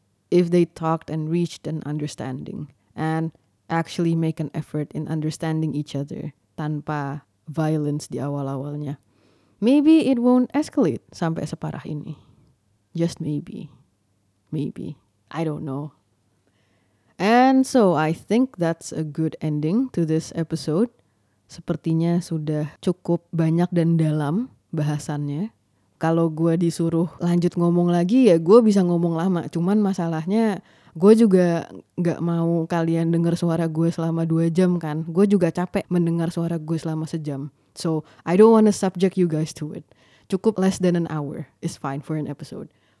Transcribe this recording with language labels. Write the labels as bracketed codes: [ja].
[en] If they talked and reached an understanding and actually make an effort in understanding each other [id] tanpa violence di awal-awalnya, [en] maybe it won't escalate [id] sampai separah ini. [en] Just maybe. Maybe. I don't know. And so I think that's a good ending to this episode. [id] Sepertinya sudah cukup banyak dan dalam bahasannya. Kalau gue disuruh lanjut ngomong lagi ya gue bisa ngomong lama. Cuman masalahnya gue juga gak mau kalian dengar suara gue selama 2 jam kan. Gue juga capek mendengar suara gue selama sejam. [en] So I don't wanna subject you guys to it. Cukup less than an hour is fine for an episode.